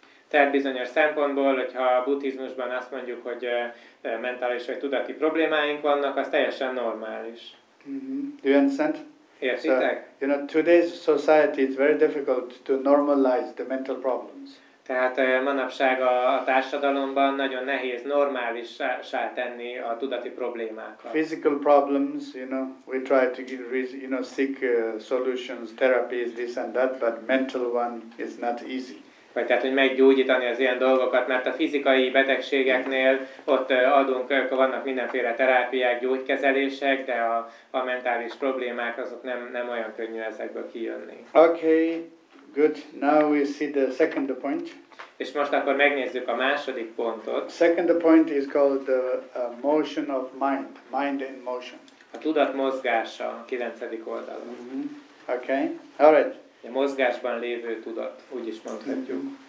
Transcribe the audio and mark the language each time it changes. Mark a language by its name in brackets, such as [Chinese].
[Hungarian] Tehát bizonyos szempontból, hogyha a buddhizmusban azt mondjuk, hogy mentális vagy tudati problémáink vannak, az teljesen normális. [English] Mm-hmm. Do you understand? [Hungarian] Értitek? [English] So, you know, today's society is very difficult to normalize the mental problems. [Hungarian] Tehát manapság a társadalomban nagyon nehéz normálissá tenni a tudati problémákat. [English] Physical problems, you know, we try to get, you know, seek solutions, therapies, this and that, but mental one is not easy. [Hungarian] Vagy tehát, hogy meggyógyítani az ilyen dolgokat, mert a fizikai betegségeknél ott adunk, vannak mindenféle terápiák, gyógykezelések, de a mentális problémák azok nem olyan könnyű ezekből kijönni. [English] Okay. Good. Now we see the second point. [Hungarian] És most akkor megnézzük a második pontot. [English] Second point is called the motion of mind, mind in motion. [Hungarian] A tudat mozgása, a 9. oldalon. [English] Mm-hmm. Okay. All right. [Hungarian] A mozgásban lévő tudat, úgy is mondhatjuk.